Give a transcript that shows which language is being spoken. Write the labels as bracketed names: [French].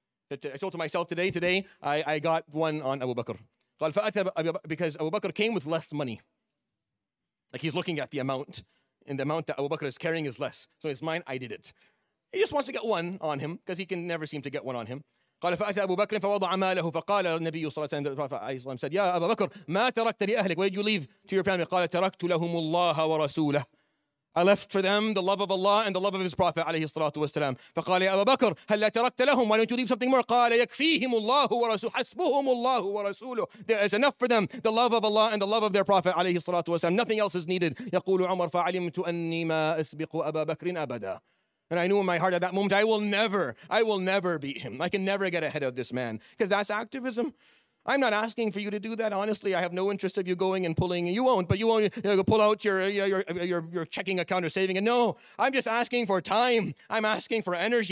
[English] I told to myself today, I got one on Abu Bakr. Because Abu Bakr came with less money. Like, he's looking at the amount, and the amount that Abu Bakr is carrying is less. So it's mine, I did it. He just wants to get one on him, because he can never seem to get one on him. [Arabic] قال فأتى أبو بكر فوضع ماله فقال النبي صلى الله عليه وسلم, [English] said, [Arabic] يا أبو بكر, ما تركت لأهلك? [English] What did you leave to your family? [Arabic] قال تركت لهم الله ورسوله. [English] I left for them the love of Allah and the love of his Prophet عليه الصلاة والسلام. [Arabic] فقال يا أبو بكر هل لا تركت لهم? [English] Why don't you leave something more? [Arabic] قال يكفيهم الله ورسوله. حسبهم الله ورسوله. [English] There is enough for them, the love of Allah and the love of their Prophet عليه الصلاة والسلام. Nothing else is needed. [Arabic] يقول عمر فعلمت أني ما أسبق أبا بكر أبدا. [English] And I knew in my heart at that moment, I will never beat him. I can never get ahead of this man. Because that's activism. I'm not asking for you to do that. Honestly, I have no interest of you going and pulling. You won't, but you won't, you know, pull out your checking account or saving it. No, I'm just asking for time. I'm asking for energy.